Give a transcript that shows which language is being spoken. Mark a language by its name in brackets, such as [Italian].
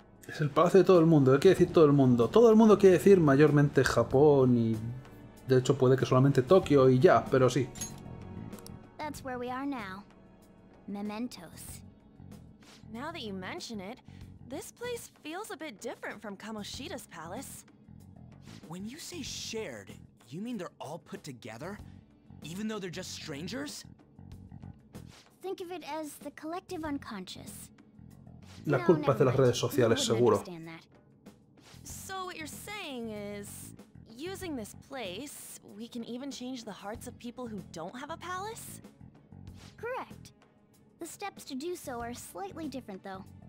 [Spanish] Es el palacio de todo el mundo, hay que decir todo el mundo. Todo el mundo quiere decir mayormente Japón y De hecho, puede que solamente Tokio y ya, pero sí. [English] That's where we are now. Mementos. Now that you mention it, this place feels a bit different from Kamoshida's palace. When you say shared, you mean they're all put together? Even though they're just strangers? Think of it as the collective unconscious. [Spanish] La culpa es de las redes sociales, seguro. [English] So what you're saying is, using this place, we can even change the hearts of people who don't have a palace? Correct. The steps to do so are slightly different, though.